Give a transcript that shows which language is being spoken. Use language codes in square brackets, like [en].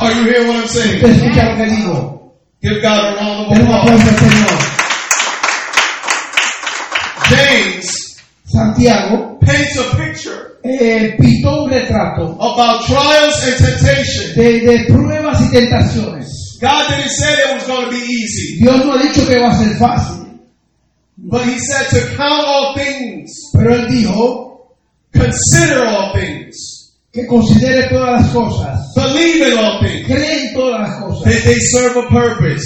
[en] Are you hearing what I'm saying? [es] ¿Te escucha lo que digo? [en] Give God a round of applause. [es] Señor. [en] James. [es] Santiago. [en] Paints a picture. [es] Pintó un retrato. [en] About trials and temptations. [es] De pruebas y tentaciones. [en] God didn't say it was going to be easy. [es] Dios no ha dicho que va a ser fácil. [en] But he said to count all things. [es] Pero él dijo. [en] Consider all things. [es] Que considere todas las cosas. [en] Believe in all things. [es] Cree en todas las cosas. [en] That they serve a purpose.